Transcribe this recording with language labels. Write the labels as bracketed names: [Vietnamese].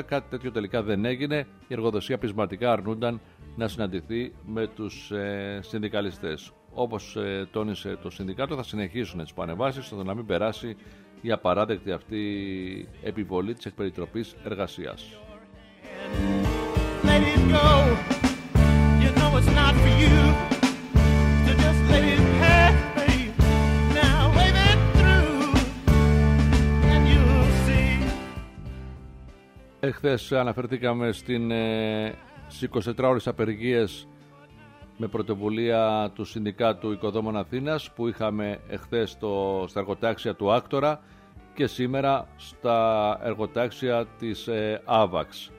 [Greek] Κάτι τέτοιο τελικά δεν έγινε. Η εργοδοσία πεισματικά αρνούνταν να συναντηθεί με τους συνδικαλιστές. Όπως τόνισε το Συνδικάτο, θα συνεχίσουν τις παρεμβάσεις ώστε να μην περάσει η απαράδεκτη αυτή επιβολή της εκπεριτροπής εργασίας. [English] Let it go. You know it's not for you to just let it pass. Now wave it through and you'll see. [Greek] Εχθές αναφερθήκαμε στην 24ωρες απεργίες με πρωτοβουλία του Συνδικάτου Οικοδόμων Αθήνας που είχαμε εχθές στα εργοτάξια του Άκτορα και σήμερα στα εργοτάξια της Άβαξ.